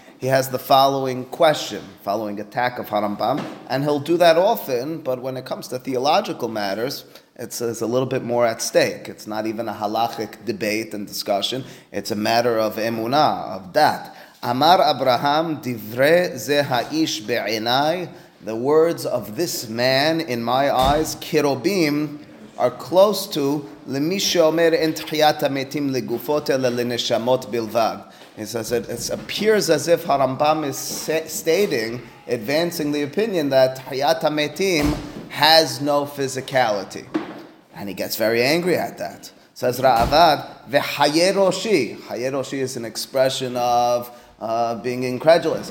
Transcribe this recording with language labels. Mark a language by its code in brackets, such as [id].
[en] He has the following question, following attack of Harambam, and he'll do that often, but when it comes to theological matters, it's a little bit more at stake. It's not even a halachic debate and discussion. It's a matter of emunah, of dat. [he] Amar Abraham divrei ze ha'ish be'inai, [en] the words of this man in my eyes, [he] kirobim, [en] are close to [he] למי שאומר אין תחיית המתים לגופות אלא לנשמות בלבד. [en] He says it appears as if Harambam is stating, advancing the opinion that Hayat HaMetim has no physicality. And he gets very angry at that. Says Ra'avad, V'hayeroshi. Hayeroshi is an expression of being incredulous.